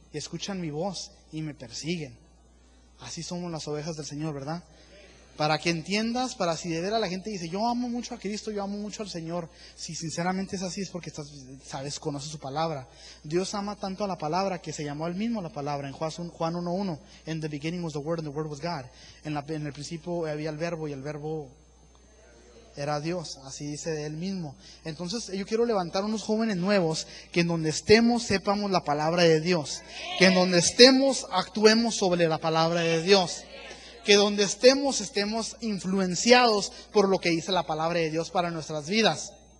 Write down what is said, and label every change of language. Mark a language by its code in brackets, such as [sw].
[es] Y escuchan mi voz y me persiguen. Así somos las ovejas del Señor, ¿verdad? Para que entiendas, para si de veras la gente dice, yo amo mucho a Cristo, yo amo mucho al Señor. Si sinceramente es así, es porque estás, sabes, conoces su palabra. Dios ama tanto a la palabra que se llamó él mismo la palabra. En Juan 1:1, [en] in the beginning was the word and the word was God. [es] En el principio había el verbo y el verbo era Dios, así dice de él mismo. Entonces yo quiero levantar unos jóvenes nuevos que en donde estemos sepamos la palabra de Dios, que en donde estemos actuemos sobre la palabra de Dios, que donde estemos influenciados por lo que dice la palabra de Dios para nuestras vidas.